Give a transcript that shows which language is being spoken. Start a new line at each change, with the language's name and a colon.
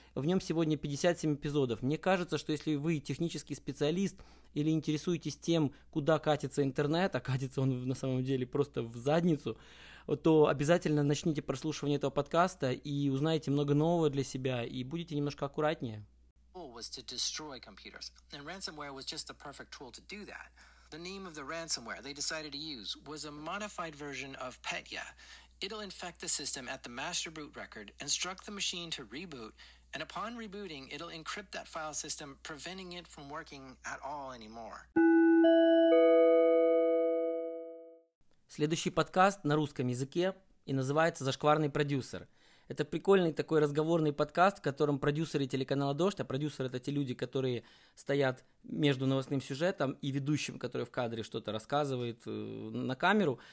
Russian: В нем сегодня 57 эпизодов. Мне кажется, что если вы технический специалист или интересуетесь тем, куда катится интернет, а катится он на самом деле просто в задницу, то обязательно начните прослушивание этого подкаста и узнаете много нового для себя, и будете немножко аккуратнее.
English: Was to destroy computers. And ransomware was just the perfect tool to do that. The name of the ransomware they decided to use was a modified version of Petya. It'll infect the system at the master boot record, instruct the machine to reboot, and upon rebooting, it'll encrypt that file system, preventing it from working at all anymore.
Russian: Следующий подкаст на русском языке и называется «Зашкварный продюсер». Это прикольный такой разговорный подкаст, в котором продюсеры телеканала «Дождь», а продюсеры – это те люди, которые стоят между новостным сюжетом и ведущим, который в кадре что-то рассказывает на камеру.